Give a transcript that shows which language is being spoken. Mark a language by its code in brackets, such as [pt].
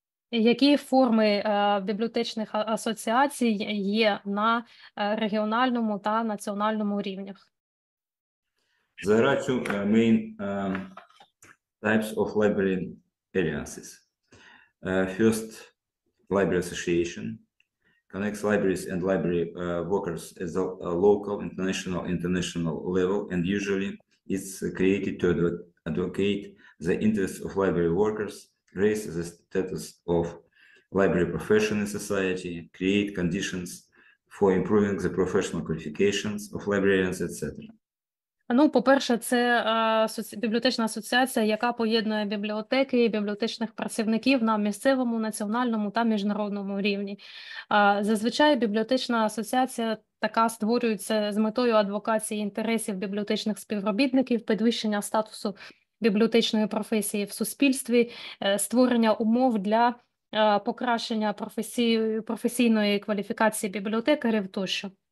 [uk] Які форми бібліотечних асоціацій є на регіональному та національному рівнях? [en] There are two main types of library alliances. First, library association connects libraries and library workers at the local, international level, and usually it's created to advocate the interests of library workers, raise the status of library profession in society, create conditions for improving the professional qualifications of librarians, etc. [uk] Ну, по-перше, це бібліотечна асоціація, яка поєднує бібліотеки і бібліотечних працівників на місцевому, національному та міжнародному рівні. Зазвичай бібліотечна асоціація така створюється з метою адвокації інтересів бібліотечних співробітників, підвищення статусу бібліотечної професії в суспільстві, створення умов для покращення професійної кваліфікації бібліотекарів тощо.